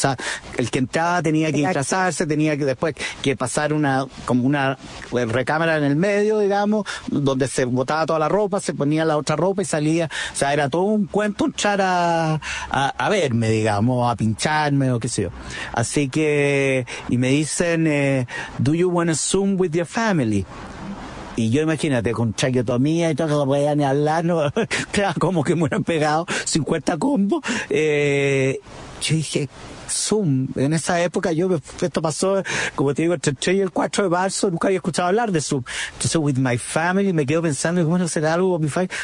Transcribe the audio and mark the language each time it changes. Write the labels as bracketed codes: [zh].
[es] O sea, el que entraba tenía que disfrazarse, tenía que después que pasar una recámara en el medio, digamos, donde se botaba toda la ropa, se ponía la otra ropa y salía. O sea, era todo un cuento entrar a verme, digamos, a pincharme o qué sé yo. Así que, y me dicen, [en] do you want to zoom with your family? [es] Y yo, imagínate, con traqueotomía y todo, no podía ni hablar, no, como que me hubieran pegado 50 combos. Yo dije, Zoom, en esa época, esto pasó, como te digo, entre el 3 y el 4 de marzo, nunca había escuchado hablar de Zoom. Entonces, [en] with my family, [es] me quedo pensando, bueno, será algo con mi familia.